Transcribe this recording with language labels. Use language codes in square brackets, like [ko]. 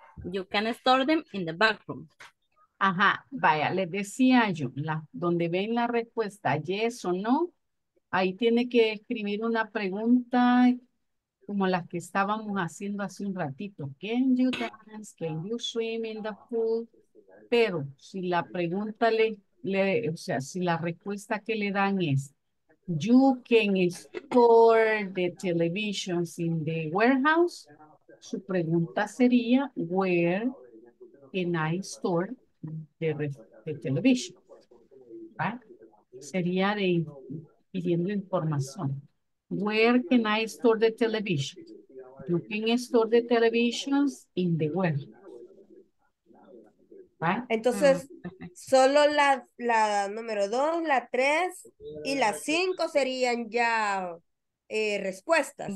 [en] You can store them in the back room. [es] Ajá, vaya, les decía yo, la, donde ven la respuesta yes o no, ahí tiene que escribir una pregunta como las que estábamos haciendo hace un ratito. Can you dance? Can you swim in the pool? Pero si la pregunta le, le, o sea, si la respuesta que le dan es you can store the televisions in the warehouse, su pregunta sería where can I store de televisión, sería de pidiendo información. [en] Where can I store the television? You can store the televisions in the world. [es] ¿Vale? Entonces, solo la número 2, la 3 y la 5 serían ya respuestas.